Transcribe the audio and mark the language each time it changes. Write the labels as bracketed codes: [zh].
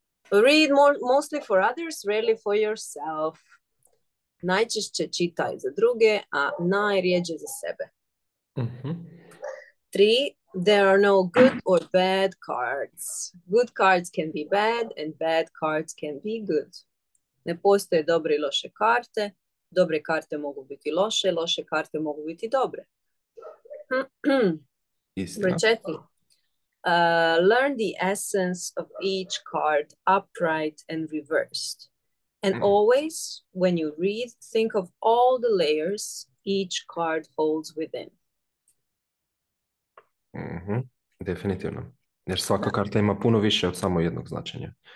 [en] Read mostly for others, rarely for yourself. [hr] Najčešće čitaj za druge, a najrijeđe za sebe. Mm-hmm. 3. [en] There are no good or bad cards. Good cards can be bad and bad cards can be good. [hr] Ne postoje dobre i loše karte. Dobre karte mogu biti loše, loše karte mogu biti dobre. Prečetli. [en] Learn the essence of each card, upright and reversed. And always, when you read, think of all the layers each card holds within. [hr] Mm-hmm. Definitivno. Jer svaka karta ima puno više od samo jednog značenja.